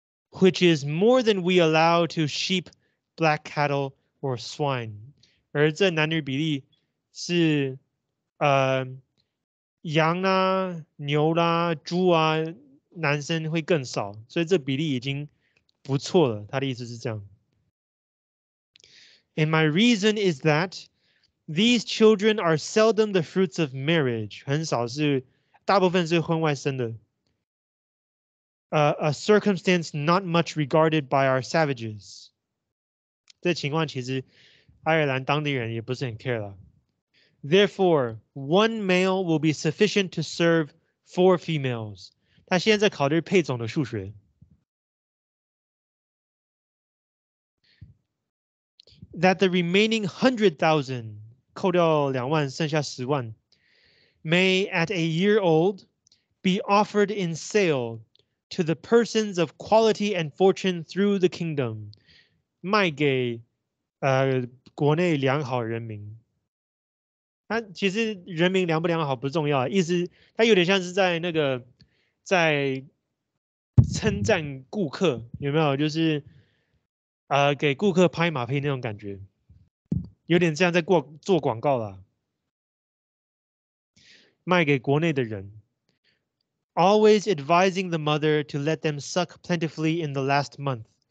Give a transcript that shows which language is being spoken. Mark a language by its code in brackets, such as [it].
[en] Which is more than we allow to sheep, black cattle, or swine. [zh] 而这男女比例是羊啊、牛啊、猪啊，男生会更少，所以这比例已经不错了。他的意思是这样。 [en] And my reason is that these children are seldom the fruits of marriage. [zh] 很少是，大部分是婚外生的。 [en] A circumstance not much regarded by our savages. [zh] 这情况其实爱尔兰当地人也不是很 care 了。 [en] Therefore, one male will be sufficient to serve 4 females. [zh] 他现在考虑配种的数学。 [en] That the remaining 100,000, [zh] 扣掉20,000剩下10万, [en] may at a year old be offered in sale to the persons of quality and fortune through the kingdom, [zh] 卖给国内良好人民。他其实人民良不良好不重要，意思他有点像是在那个在称赞顾客，有没有？就是给顾客拍马屁那种感觉，有点像在做广告啦，卖给国内的人。 [en] Always advising the mother to let them suck plentifully in the last month.